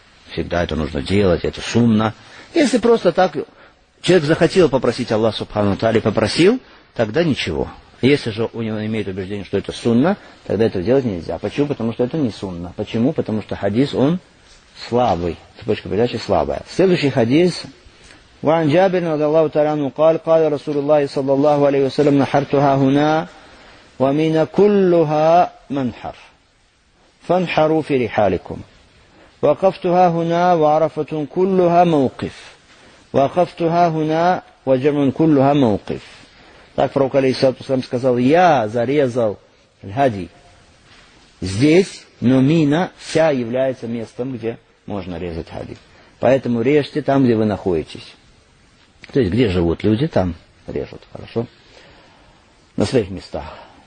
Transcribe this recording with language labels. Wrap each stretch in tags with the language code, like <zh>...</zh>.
<ru>Всегда это нужно делать, это сунна. Если просто так человек захотел попросить Аллаха Субхану Тааля, попросил, тогда ничего. Если же у него имеет убеждение, что это сунна, тогда этого делать нельзя. Почему? Потому что это не сунна. Почему? Потому что хадис, он слабый. Цепочка передачи слабая. Следующий хадис.</ru> <ar>وعن جابر رضي الله تعالى عنه قال قال رسول الله صلى الله عليه وسلم نحرتها هنا ومن كلها منحر فانحروا في رحالكم وقفتها هنا وعرفة كلها موقف وقفتها هنا وجمع كلها موقف.</ar> <ru>Так пророк алейхиссалату вассалям сказал, я зарезал الهدي здесь, но Мина вся является местом, где можно резать هدي. Поэтому режьте там, где вы находитесь. То есть, где живут люди, там режут, хорошо, на своих местах.</ru>